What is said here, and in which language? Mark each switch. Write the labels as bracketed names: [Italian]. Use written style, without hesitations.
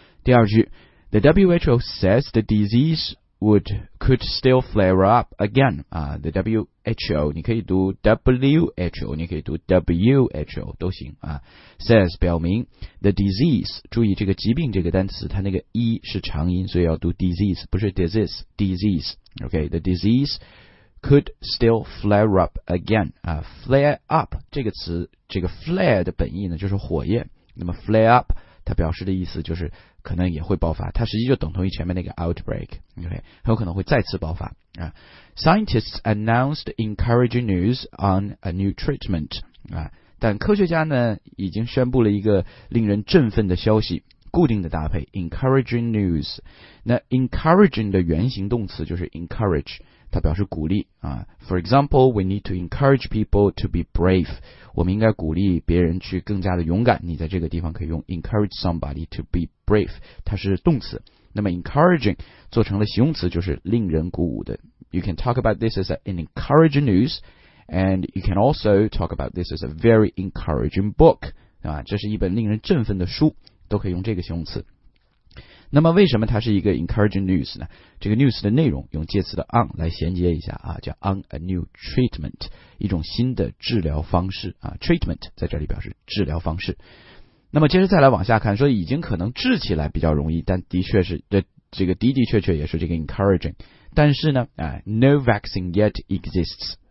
[Chinese] 第二句， [English] The WHO says the disease could still flare up again [Chinese] The WHO 你可以读 WHO， 你可以读 WHO 都行says 表明 the disease， 注意这个疾病这个单词它那个 e 是长音，所以要读 disease 不是 disease， disease OK， the disease [English] could still flare up again [Chinese] flare up 这个词，这个 flare 的本意呢就是火焰，那么 flare up 它表示的意思就是可能也会爆发，它实际就等同于前面那个 outbreak， OK， 很有可能会再次爆发啊。 [English] Scientists announced encouraging news on a new treatment. [Chinese] 但科学家呢已经宣布了一个令人振奋的消息，固定的搭配 encouraging news。那 encouraging 的原型动词就是 encourage，它表示鼓励啊。 [English] For example, we need to encourage people to be brave. [Chinese] 我们应该鼓励别人去更加的勇敢。你在这个地方可以用 [English] encourage somebody to be brave. [Chinese] 它是动词。那么 encouraging 做成了形容词就是令人鼓舞的。 [English] You can talk about this as an encouraging news, and you can also talk about this as a very encouraging book. [Chinese] 啊，这是一本令人振奋的书，都可以用这个形容词。那么为什么它是一个 encouraging news 呢？这个 news 的内容用介词的 on 来衔接一下啊，叫 [English] on a new treatment， [Chinese] 一种新的治疗方式啊。 treatment 在这里表示治疗方式。那么接着再来往下看，说已经可能治起来比较容易，但的确是这个的的确确也是这个 encouraging， 但是呢， [English] no vaccine yet exists。